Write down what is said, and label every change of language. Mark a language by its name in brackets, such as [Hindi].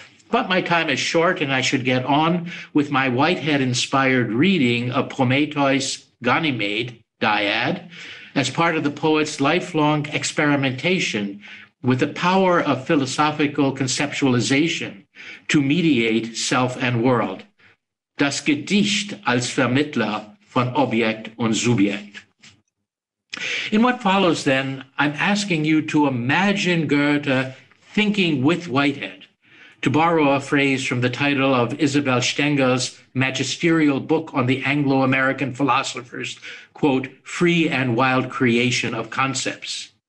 [English] But my time is short, and I should get on with my Whitehead-inspired reading of Prometheus Ganymede, Dyad, as part of the poet's lifelong experimentation with the power of philosophical conceptualization to mediate self and world. [German] Das Gedicht als Vermittler von Objekt und Subjekt. [English] In what follows, then, I'm asking you to imagine Goethe thinking with Whitehead, to borrow a phrase from the title of Isabel Stengel's magisterial book on the Anglo-American philosopher's, quote, free and wild creation of concepts.